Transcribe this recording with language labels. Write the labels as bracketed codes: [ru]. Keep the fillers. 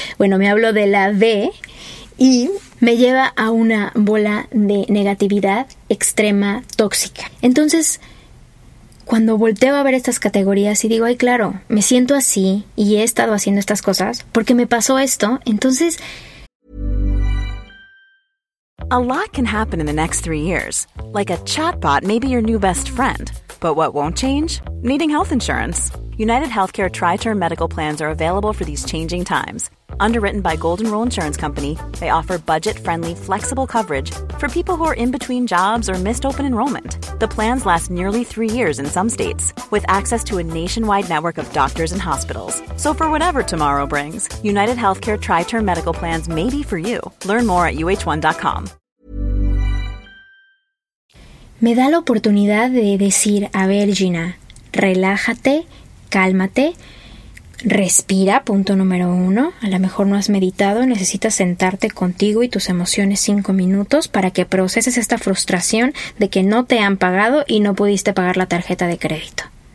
[es] Bueno, me hablo de la D y me lleva a una bola de negatividad extrema, tóxica. Entonces, cuando volteo a ver estas categorías y digo, ay, claro, me siento así y he estado haciendo estas cosas porque me pasó esto, entonces. [en] A lot can happen in the next three years. Like a chatbot may be your new best friend. But what won't change? Needing health insurance. United Healthcare Tri Term Medical Plans are available for these changing times. Underwritten by Golden Rule Insurance Company, they offer budget-friendly, flexible coverage for people who are in between jobs or missed open enrollment. The plans last nearly three years in some states, with access to a nationwide network of doctors and hospitals. So for whatever tomorrow brings, United Healthcare Tri-Term Medical Plans may be for you. Learn more at uh1.com. [es] Me da la oportunidad de decir a ver, relájate, cálmate. Respira, punto número uno. A lo mejor no has meditado, necesitas sentarte contigo y tus emociones cinco minutos para que proceses esta frustración de que no te han pagado y no pudiste pagar la tarjeta de crédito.